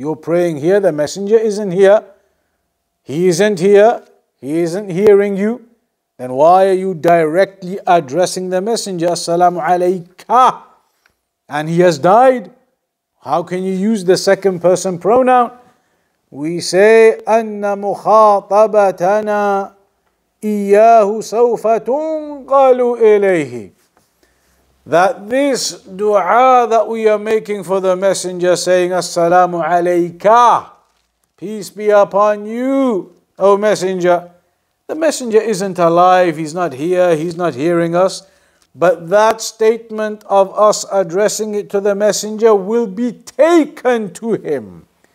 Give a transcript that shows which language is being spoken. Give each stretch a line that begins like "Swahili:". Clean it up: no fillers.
English: You're praying here, the Messenger isn't here. He isn't here, he isn't hearing you. Then why are you directly addressing the Messenger, As-salamu alayka, and he has died? How can you use the second person pronoun?
Arabic: We say, أَنَّ مُخَاطَبَتَنَا إِيَّاهُ سَوْفَ تُنْقَلُ إِلَيْهِ.
English: That this dua that we are making for the Messenger, saying, As-salamu alayka, peace be upon you, O Messenger. The Messenger isn't alive, he's not here, he's not hearing us. But that statement of us addressing it to the Messenger will be taken to him.